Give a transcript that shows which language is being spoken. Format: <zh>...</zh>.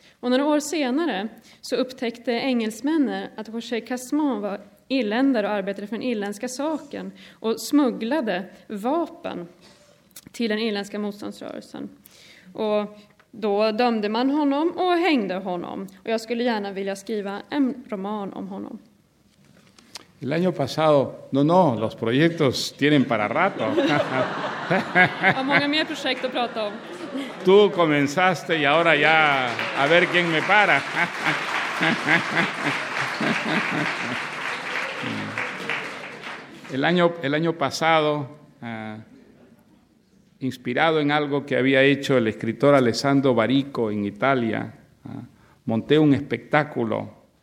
<sv>Och några år senare så upptäckte engelsmännen att José Casement var irländare och arbetade för den irländska saken och smugglade vapen till den irländska motståndsrörelsen. Och då dömde man honom och hängde honom. Och jag skulle gärna vilja skriva en roman om honom.</sv> <es>El año pasado, no, los proyectos tienen para rato. Hay många mer projekt att prata om. Tú comenzaste y ahora ya a ver quién me para. El año pasado, inspirado en algo que había hecho el escritor Alessandro Baricco en Italia, monté un espectáculo</es>